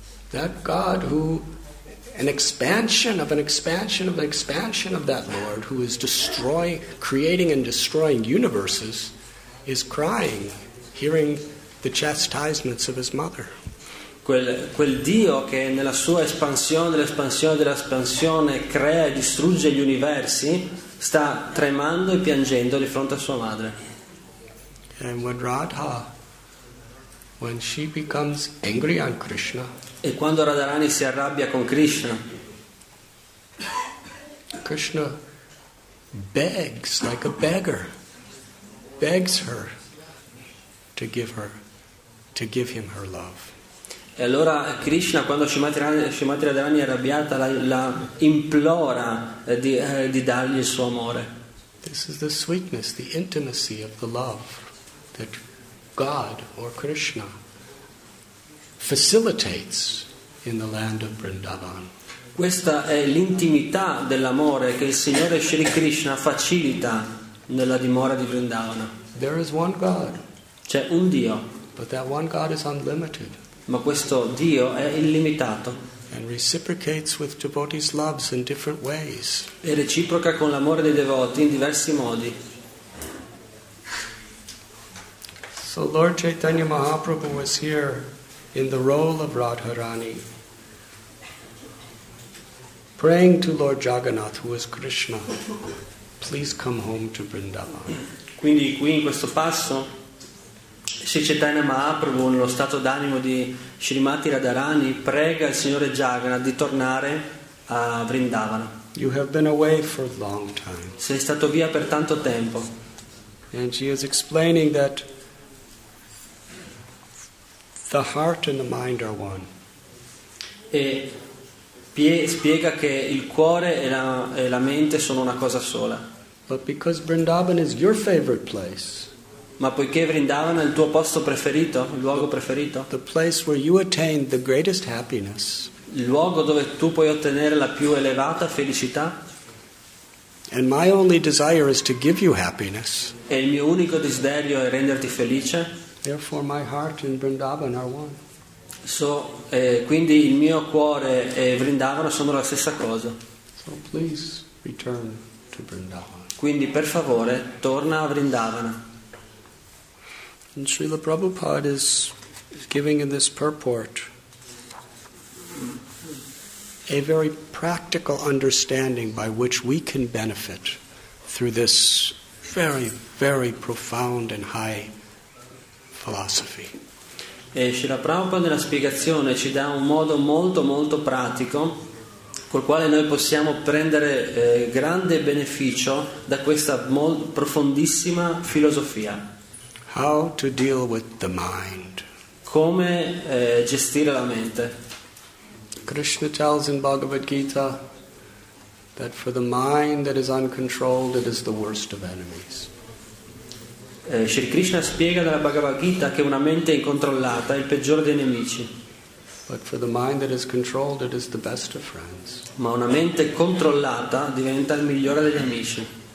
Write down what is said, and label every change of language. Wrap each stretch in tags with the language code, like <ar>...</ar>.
<en>That God who, an expansion of that Lord who is creating and destroying universes, is crying, hearing the chastisements of his mother.</en> <it>Quel Dio che nella sua espansione, dell'espansione, dell'espansione crea e distrugge gli universi, sta tremando e piangendo di fronte a sua madre.</it> <en>And when Radha, when she becomes angry on Krishna,</en> <it>e quando Radharani si arrabbia con Krishna,</it> <en>Krishna begs like a beggar, begs her to give her, to give him her love.</en> <it>E allora Krishna, quando Shrimati Radharani è arrabbiata, la implora di dargli il suo amore.</it> <en>This is the sweetness, the intimacy of the love that God or Krishna facilitates in the land of Vrindavan.</en> <it>Questa è l'intimità dell'amore che il Signore Shri Krishna facilita nella dimora di Vrindavana.</it> <en>There is one God.</en> <it>C'è un Dio.</it> <en>But that one God is unlimited.</en> <it>Ma questo Dio è illimitato.</it> <en>And reciprocates with devotees' loves in different ways.</en> <it>E reciproca con l'amore dei devoti in diversi modi.</it> <en>So Lord Chaitanya Mahaprabhu was here in the role of Radharani, praying to Lord Jagannath, who is Krishna, please come home to Vrindavan.</en> <it>Quindi qui in questo passo, Sri Chaitanya Mahaprabhu, nello stato d'animo di Srimati Radharani, prega il Signore Jagannath di tornare a Vrindavana.</it> <en>You have been away for a long time.</en> <it>Sei stato via per tanto tempo.</it> <en>And she is explaining that the heart and the mind are one.</en> <it>E spiega che il cuore e la mente sono una cosa sola.</it> <en>But because Vrindavan is your favorite place,</en> <it>ma poiché Vrindavan è il tuo posto preferito, il luogo preferito,</it> <en>the place where you attain the greatest happiness,</en> <it>il luogo dove tu puoi ottenere la più elevata felicità,</it> <en>and my only desire is to give you happiness,</en> <it>e il mio unico desiderio è renderti felice,</it> <en>therefore my heart and Vrindavan are one.</en> <it>So, quindi il mio cuore e Vrindavan sono la stessa cosa.</it> <en>So please return to Vrindavan.</en> <it>Quindi per favore torna a Vrindavan.</it> <en>And Srila Prabhupada is giving in this purport a very practical understanding by which we can benefit through this very, very profound and high philosophy.</en> <it>E Srila Prabhupada nella spiegazione ci dà un modo molto molto pratico col quale noi possiamo prendere grande beneficio da questa profondissima filosofia.</it> <en>How to deal with the mind.</en> <it>Come gestire la mente.</it> <en>Krishna tells in Bhagavad Gita that for the mind that is uncontrolled it is the worst of enemies.</en> <it>Shri Krishna spiega nella Bhagavad Gita che una mente incontrollata è il peggiore dei nemici.</it> <en>But for the mind that is controlled, it is the best of friends.</en> <it>Ma una mente controllata diventa il migliore degli amici.</it>